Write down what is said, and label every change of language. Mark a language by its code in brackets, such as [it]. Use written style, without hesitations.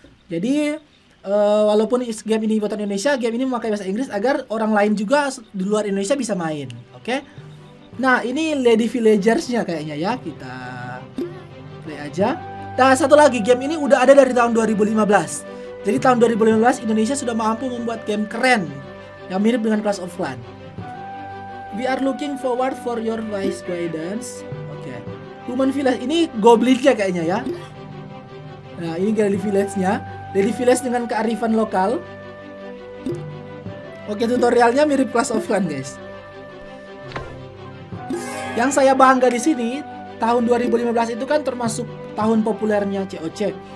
[id] Jadi walaupun game ini buatan Indonesia, game ini memakai bahasa Inggris agar orang lain juga di luar Indonesia bisa main. Oke. Okay? Nah, ini Lady Villagers-nya kayaknya ya, kita play aja. Nah, satu lagi, game ini udah ada dari tahun 2015. Jadi tahun 2015 Indonesia sudah mampu membuat game keren yang mirip dengan Clash of Clans. [en] We are looking forward for your wise guidance. Oke. Okay. [id] Human Village, ini goblinnya kayaknya ya. Nah, ini Lady Village-nya. Lady Village dengan kearifan lokal. Oke, tutorialnya mirip Clash of Clans, guys. Yang saya bangga di sini, tahun 2015 itu kan termasuk tahun populernya COC.